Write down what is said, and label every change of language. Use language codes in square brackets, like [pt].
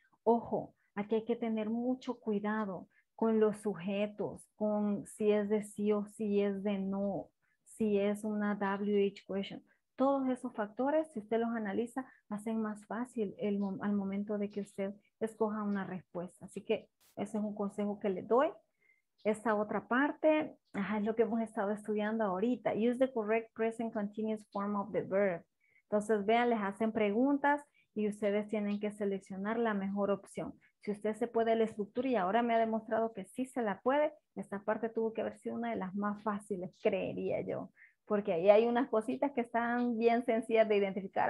[es] Ojo, aquí hay que tener mucho cuidado con los sujetos, con si es de sí o si es de no, si es una WH question. Todos esos factores, si usted los analiza, hacen más fácil al momento de que usted escoja una respuesta. Así que ese es un consejo que le doy. Esta otra parte, es lo que hemos estado estudiando ahorita. [en] Use the correct present continuous form of the verb. [es] Entonces, vean, les hacen preguntas y ustedes tienen que seleccionar la mejor opción. Si usted se puede la estructura, y ahora me ha demostrado que sí se la puede, esta parte tuvo que haber sido una de las más fáciles, creería yo. Porque ahí hay unas cositas que están bien sencillas de identificar.